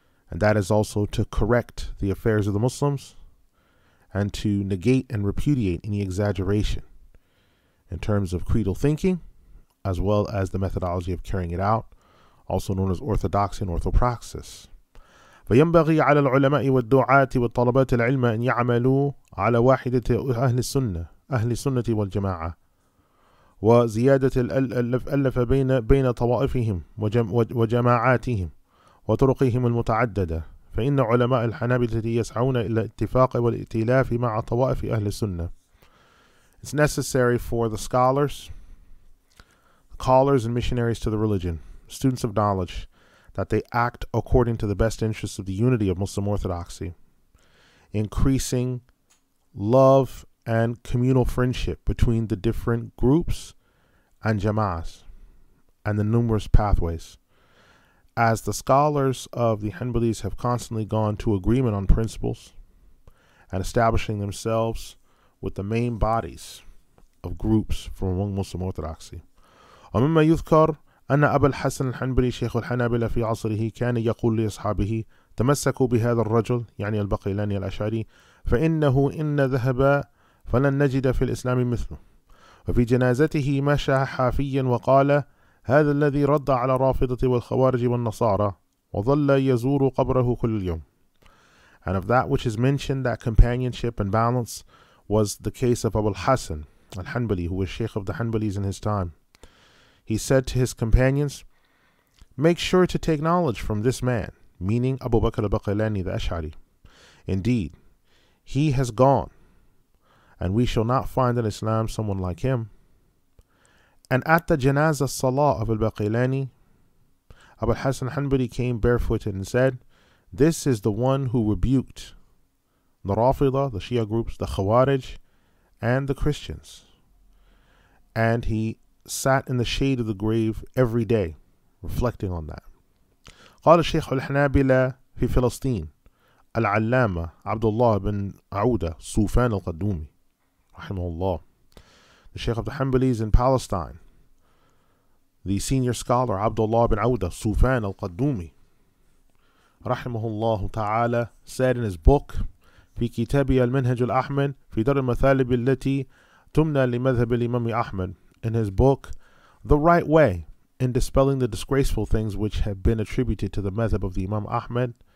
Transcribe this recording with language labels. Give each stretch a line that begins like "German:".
English: And that is also to correct the affairs of the Muslims and to negate and repudiate any exaggeration in terms of creedal thinking, as well as the methodology of carrying it out, also known as orthodoxy and orthopraxis.
Arabic: فينبغي على العلماء والدعاة والطلبات العلم أن يعملوا على واحدة أهل السنة والجماعة وزيادة الألف بين طوائفهم وجماعاتهم وطرقهم المتعددة فإن علماء الحنابلة يسعون إلى اتفاق والائتلاف مع طوائف أهل السنة.
English: It's necessary for the scholars, callers and missionaries to the religion, students of knowledge, that they act according to the best interests of the unity of Muslim orthodoxy, increasing love and communal friendship between the different groups and jamaas and the numerous pathways. As the scholars of the Hanbalis have constantly gone to agreement on principles and establishing themselves with the main bodies of groups from among Muslim orthodoxy.
Arabic: ومما يذكر أن أبا الحسن الحنبلي شيخ الحنابلة في عصره كان يقول لأصحابه تمسكوا بهذا الرجل يعني البقيلاني الأشعري فإنه إن ذهب فلن نجد في الإسلام مثله. وفي جنازته مشى حافيا وقال هذا الذي رد على الرافضة والخوارج والنصارى وظل يزور قبره كل يوم.
English: And of that which is mentioned, that companionship and balance was the case of Abu al-Hasan al-Hanbali, who was Sheikh of the Hanbalis in his time. He said to his companions, make sure to take knowledge from this man, meaning Abu Bakr al-Baqilani the Ash'ari. Indeed, he has gone, and we shall not find in Islam someone like him. And at the janazah salah of al-Baqilani, Abu al-Hasan al-Hanbali came barefooted and said, this is the one who rebuked the Rafida, the Shia groups, the Khawarij, and the Christians. And he sat in the shade of the grave every day, reflecting on that.
Arabic: قال الشيخ الحنابلة في فلسطين العلامة عبد الله بن عودة صوفان القدومي رحمه الله.
English: The Shaykh of the Hanbalis in Palestine, the senior scholar Abdullah bin Auda صوفان القدومي
Arabic: رحمه الله تعالى,
English: said in his book
Arabic: في كتابي المنهج الأحمد في دار المثالب التي تمنى لمذهب الإمام أحمد,
English: in his book The Right Way, in dispelling the disgraceful things which have been attributed to the madhab of the Imam Ahmad,